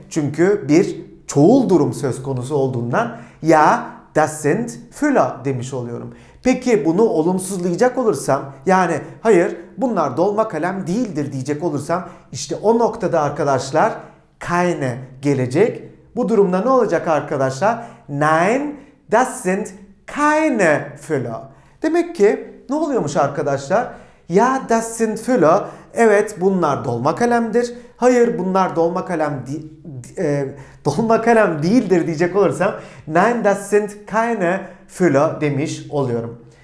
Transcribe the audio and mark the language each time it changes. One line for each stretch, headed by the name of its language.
Turkish: Çünkü bir çoğul durum söz konusu olduğundan
German: ya das sind Füller
Turkish: demiş oluyorum. Peki bunu olumsuzlayacak olursam, yani hayır bunlar dolma kalem değildir diyecek olursam, işte o noktada arkadaşlar keine gelecek. Bu durumda ne olacak arkadaşlar?
German: Nein, das sind keine Füller.
Turkish: Demek ki ne oluyormuş arkadaşlar?
German: Ya das sind Füller,
Turkish: evet bunlar dolma kalemdir. Hayır bunlar dolma kalem değildir diyecek olursam
German: Nein, das sind keine Füller
Turkish: demiş oluyorum.